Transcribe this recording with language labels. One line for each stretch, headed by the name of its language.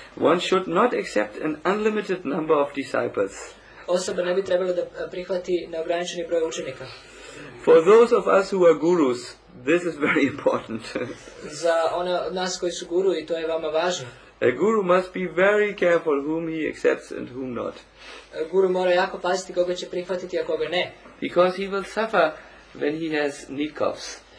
English: One should not accept an unlimited number of disciples.
Serbian: Osoba ne bi trebala da prihvati neograničeni broj učenika.
English: For those of us who are gurus, this is very important.
Serbian: Za one od nas koji su guru, i to je vama važno.
English: A guru must be very careful whom he accepts and whom not.
Serbian: A guru mora jako paziti koga će prihvatiti, a koga ne.
English: Because he will suffer when he has nitkovs.